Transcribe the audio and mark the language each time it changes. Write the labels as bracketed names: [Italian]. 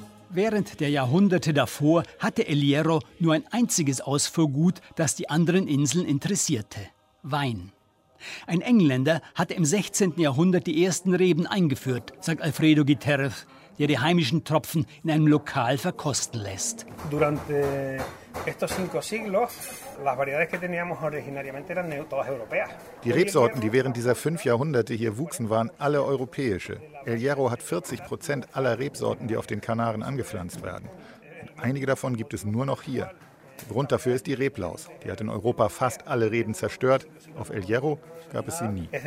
[German] Während der Jahrhunderte davor hatte El Hierro nur ein einziges Ausfuhrgut, das die anderen Inseln interessierte: Wein. Ein Engländer hatte im 16. Jahrhundert die ersten Reben eingeführt, sagt Alfredo Guitérrez, der die heimischen Tropfen in einem Lokal verkosten lässt. [Spanish] Durante estos 5 siglos las variedades que teníamos originariamente eran todas europeas. [German] Die Rebsorten, die während dieser 5 Jahrhunderte hier wuchsen, waren alle europäische. El Hierro hat 40% aller Rebsorten, die auf den Kanaren angepflanzt werden. Und einige davon gibt es nur noch hier. Grund dafür ist die Reblaus. Die hat in Europa fast alle Reben zerstört. Auf El Hierro gab es sie nie.